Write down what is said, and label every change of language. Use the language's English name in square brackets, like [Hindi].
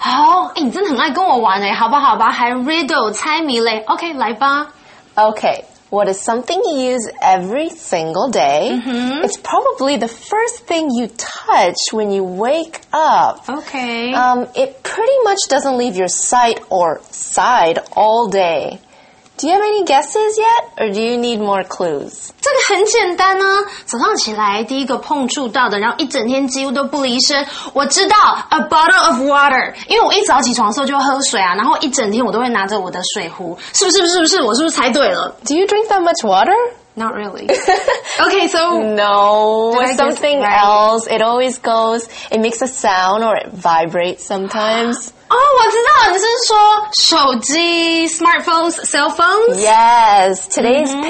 [Chinese] Oh, 你真的很爱跟我玩诶，好吧，好吧，还 riddle 猜谜嘞。 OK, 来吧。 [English] OK, what is something you use every single day?、 Mm-hmm. It's probably the first thing you touch when you wake up. OK. It pretty much doesn't leave your sight or side all day. Do you have any guesses yet, or do you need more clues? [Chinese] 这个很简单啊，早上起来第一个碰触到的，然后一整天几乎都不离身。我知道 ， [English] a bottle of water， [Chinese] 因为我一早起床的时候就喝水啊，然后一整天我都会拿着我的水壶，是不是？是不是？我是不是猜对了 [English] ？Do you drink that much water? Not really. Okay, so no, something else. It always goes. It makes a sound or it vibrates sometimes. [Chinese] Oh, 我知道，你是说手机 [English] smartphones, cell phones? Yes, today's、mm-hmm.